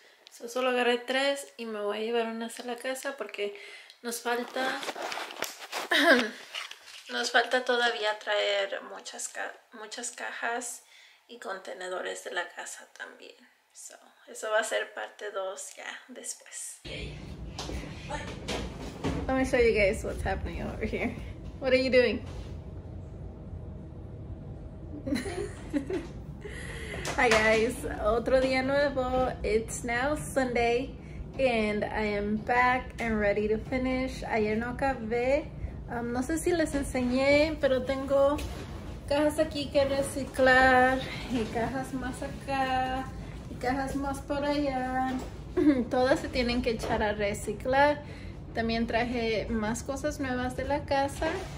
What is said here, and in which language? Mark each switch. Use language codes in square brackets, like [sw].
[es] So, solo agarré tres y me voy a llevar unas a la casa porque nos falta... Nos falta todavía traer muchas cajas y contenedores de la casa también. Eso va a ser parte 2 ya después. [en] Let me show you guys what's happening over here. What are you doing? Hi guys, [es] otro día nuevo. [en] It's now Sunday and I am back and ready to finish. [es] Ayer no acabé. No sé si les enseñé, pero tengo cajas aquí que reciclar y cajas más acá y cajas más por allá. Todas se tienen que echar a reciclar. También traje más cosas nuevas de la casa.